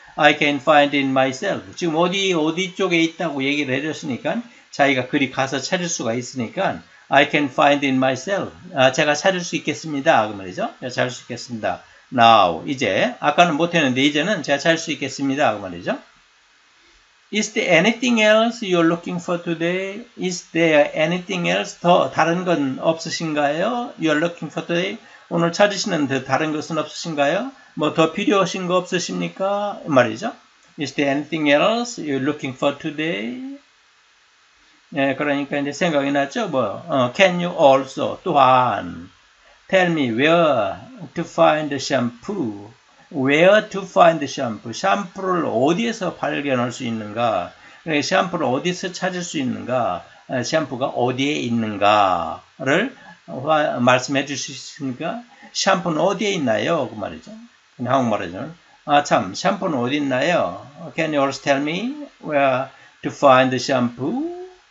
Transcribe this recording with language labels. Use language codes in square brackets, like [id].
[en] I can find it myself. [ko] 지금 어디 쪽에 있다고 얘기를 해줬으니까 자기가 그리 가서 찾을 수가 있으니까 I can find it myself. 제가 찾을 수 있겠습니다. 그 말이죠. 찾을 수 있겠습니다. Now, 이제 아까는 못했는데 이제는 제가 찾을 수 있겠습니다. 그 말이죠. [en] Is there anything else you're looking for today? Is there anything else? [ko] 더 다른 건 없으신가요? [en] You're looking for today? [ko] 오늘 찾으시는데 다른 것은 없으신가요? 뭐더 필요하신 거 없으십니까? 말이죠. [en] Is there anything else you're looking for today? [ko] 예, 그러니까 이제 생각이 났죠. [en] 뭐, can you also, [ko] 또한, [en] tell me where to find the shampoo? Where to find the shampoo? [ko] 샴푸를 어디에서 발견할 수 있는가? 샴푸를 어디서 찾을 수 있는가? 샴푸가 어디에 있는가를 말씀해 주실 수 있습니까? 샴푸는 어디에 있나요? 그 말이죠. 그냥 한국말이죠. 아, 참, 샴푸는 어디 있나요? [en] Can you also tell me where to find the shampoo?